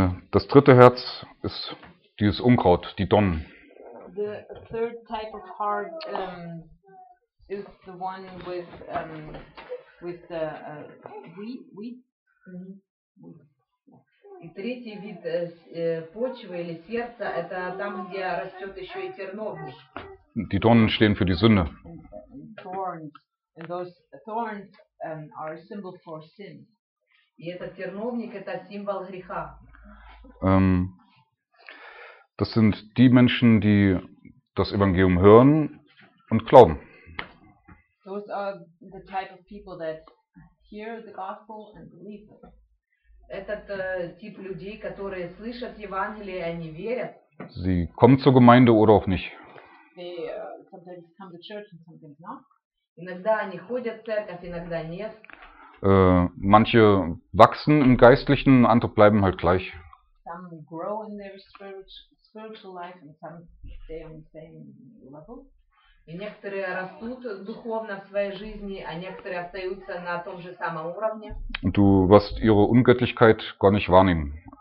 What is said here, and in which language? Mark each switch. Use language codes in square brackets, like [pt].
[de] Das dritte Herz ist dieses Unkraut, die Dornen. [en] The third type of heart is the one with the wheat. [ru] И третий вид почвы или сердца – это там, где растет еще и терновник. [de] Die Dornen stehen für die Sünde. [en] Thorns. And those thorns are a symbol for sin. [ru] И этот терновник – это символ греха. [de] Das sind die Menschen, die das Evangelium hören und glauben. [en] Those are the type of people that hear the gospel and believe it. [ru] Этот тип людей, которые слышат Евангелие, они верят. [de] Sie kommen zur Gemeinde oder auch nicht. [en] They sometimes come to church and sometimes not. [ru] Иногда они ходят в церковь, иногда нет. [de] Manche wachsen im Geistlichen, andere bleiben halt gleich. [en] Some grow in their spiritual life and some stay on the same level. [ru] И некоторые растут духовно в своей жизни, а некоторые остаются на том же самом уровне. [de] Und du wirst ihre Ungöttlichkeit gar nicht wahrnehmen.